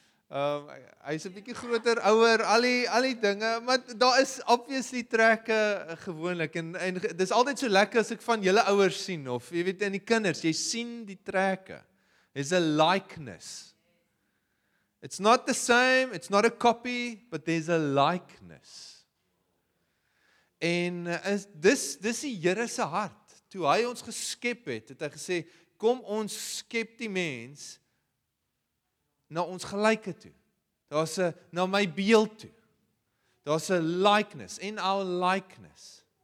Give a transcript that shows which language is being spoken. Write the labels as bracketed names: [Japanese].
[Afrikaans] Hy is 'n bietjie groter, ouer, al die dinge, maar daar is obviously trekke gewoonlik en dis altyd so lekker as ek van julle ouers sien of jy weet in die kinders, jy sien die trekke. [English] There's a likeness. It's not the same, it's not a copy, but there's a likeness. [Afrikaans] En dis die Here se hart. Toe hy ons geskep het, het hy gesê, "Kom ons skep die mens na ons gelyke toe. Daar's 'n na my beeld toe. Daar's 'n [English] likeness in our likeness."